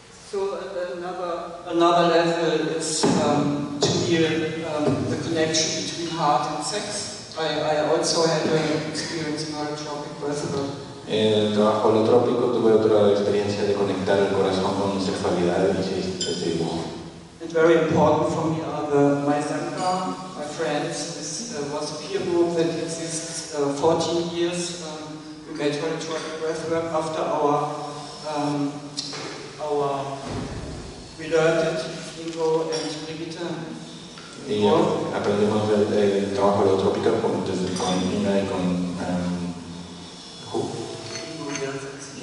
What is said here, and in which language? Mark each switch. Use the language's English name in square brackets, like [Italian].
[English] So another level is to feel the connection between heart and sex. I also had an experience in holotropic breathwork. [Spanish] En el trabajo holotrópico tuve otra experiencia de conectar el corazón con sexualidad y este dibujo. [English] And very important for me are the Maizanka, my friends. This was a peer group that exists 14 years. We made holotropic breathwork after our beloved Ingo and Brigitte. [Spanish] Y aprendemos del trabajo de otro pico con Ingo y con